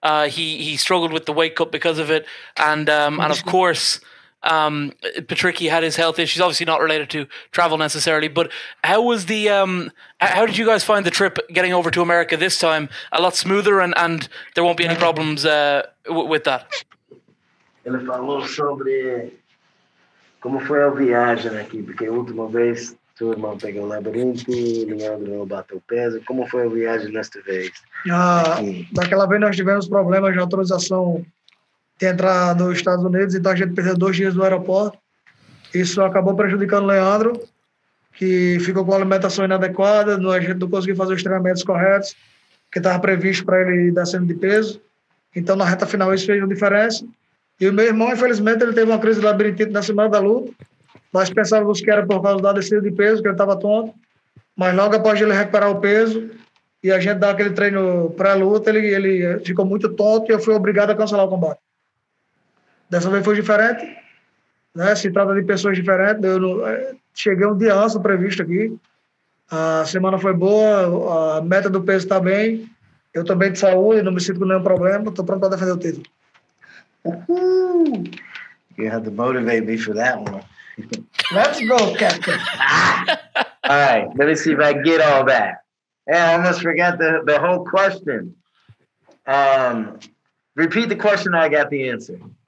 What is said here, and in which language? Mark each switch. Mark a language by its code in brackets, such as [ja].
[en] He struggled with the weight cut because of it. And of course, Patricio had his health issues, obviously not related to travel necessarily, but how was the how did you guys find the trip getting over to America this time? A lot smoother, and there won't be any problems with that. [pt] Ele falou sobre como foi a viagem aqui, porque a última vez seu irmão pegou o labirinto, Leandro não bateu o peso. Como foi a viagem nesta vez? Daquela vez nós tivemos problemas de autorização de entrar nos Estados Unidos, então a gente perdeu 2 dias no aeroporto. Isso acabou prejudicando o Leandro, que ficou com a alimentação inadequada, a gente não conseguiu fazer os treinamentos corretos, que estava previsto para ele descendo de peso. Então, na reta final, isso fez uma diferença. E o meu irmão, infelizmente, ele teve uma crise de labirintite na semana da luta. Nós pensávamos que era por causa da descida de peso, que ele estava tonto. Mas logo após ele recuperar o peso e a gente dar aquele treino pré-luta, ele ficou muito tonto e eu fui obrigado a cancelar o combate. Dessa vez foi diferente, né? Se trata de pessoas diferentes. Eu não, cheguei um dia antes do previsto aqui. A semana foi boa, a meta do peso está bem. Eu estou bem de saúde, não me sinto com nenhum problema. Estou pronto para defender o título. Uhul! [en] You had to motivate me for that one. Let's go, Captain! All right, let me see if I get all that. And I almost forgot the whole question. Repeat the question, I got the answer.